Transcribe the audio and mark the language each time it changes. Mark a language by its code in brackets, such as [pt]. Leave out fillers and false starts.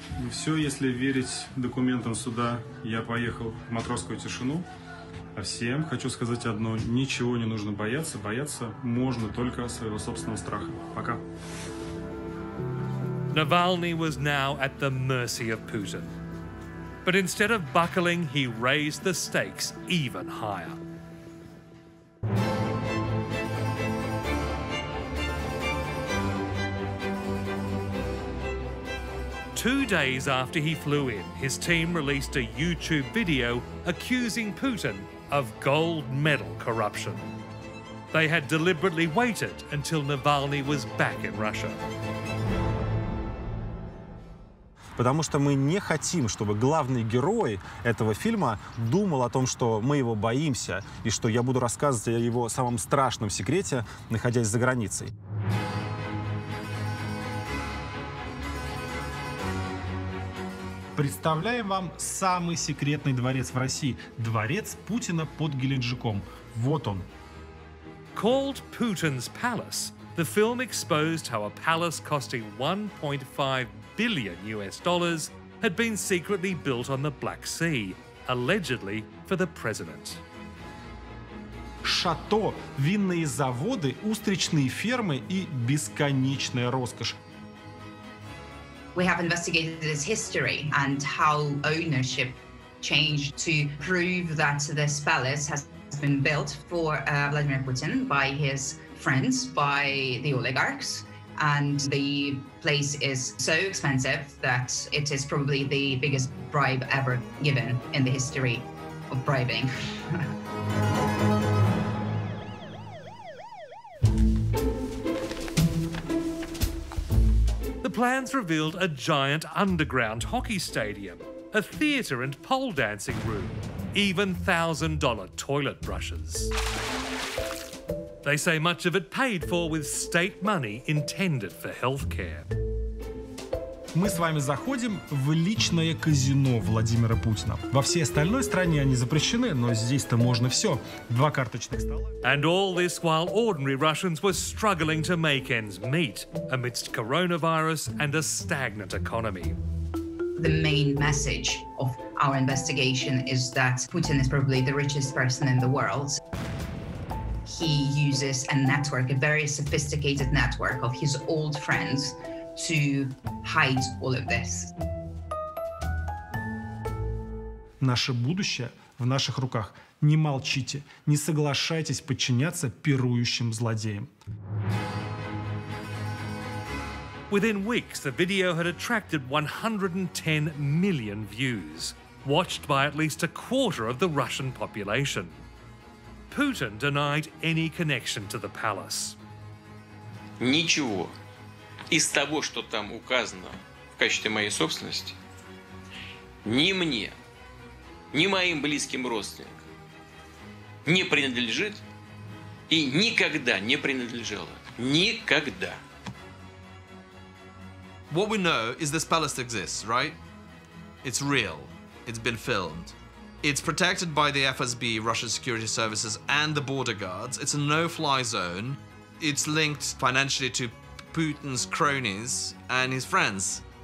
[ru] Все, если верить документам суда, я поехал в матросскую тишину. А всем хочу сказать одно, ничего не нужно бояться. Бояться можно только своего собственного страха. Пока. [en] Navalny was now at the mercy of Putin. But instead of buckling, he raised the stakes even higher. Two days after he flew in, his team released a YouTube video accusing Putin of gold medal corruption. They had deliberately waited until Navalny was back in Russia. [ru] потому что мы не хотим, чтобы главный герой этого фильма думал о том, что мы его боимся, и что я буду рассказывать о его самом страшном секрете, находясь за границей. Представляем вам самый секретный дворец в России. Дворец Путина под Геленджиком. Вот он. [en] Called Putin's Palace, the film exposed how a palace costing $1.5 billion had been secretly built on the Black Sea, allegedly for the president. [ru] Шато, винные заводы, устричные фермы и бесконечная роскошь. [en] We have investigated its history and how ownership changed to prove that this palace has been built for Vladimir Putin by his friends, by the oligarchs. And the place is so expensive that it is probably the biggest bribe ever given in the history of bribing. Plans revealed a giant underground hockey stadium, a theater and pole dancing room, even $1,000 toilet brushes. They say much of it paid for with state money intended for healthcare. [ru] Мы с вами заходим в личное казино Владимира Путина. Во всей остальной стране они запрещены, но здесь-то можно все. Два карточных стола. [en] And all this while ordinary Russians were struggling to make ends meet amidst coronavirus and a stagnant economy. The main message of our investigation is that Putin is probably the richest person in the world. He uses a network, a very sophisticated network of his old friends to hide all of this. [ru] Наше будущее в наших руках. Не молчите, не соглашайтесь подчиняться пирующим злодеям. [en] Within weeks, the video had attracted 110 million views, watched by at least a quarter of the Russian population. Путин denied any connection to the palace. [ru] Ничего из того, что там указано в качестве моей собственности, ни мне, ни моим близким родственникам не принадлежит и никогда не принадлежало. Никогда. [en] What we know is this palace exists, right? It's real. It's been filmed. It's protected by the FSB, Russian Security Services, and the border guards. It's a no-fly zone. It's linked financially to Putin's cronies and his friends.